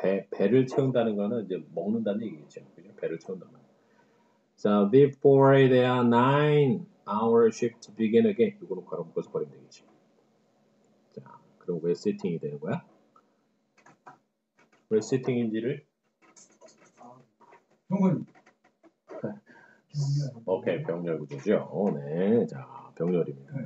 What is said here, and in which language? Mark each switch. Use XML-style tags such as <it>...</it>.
<ko>배를 채운다는 거는 이제 먹는다는 얘기겠죠. 그냥 배를 채운다는 거.</ko> <en>So before their 9-hour shift begin again.</en> <ko>이거는 괄호 묶어서 버리면 되겠죠. 자, 그럼 왜 세팅이 되는 거야? 왜 세팅인지를? 형은 오케이, 병렬 구조죠. 네, 자, 병렬입니다.</ko>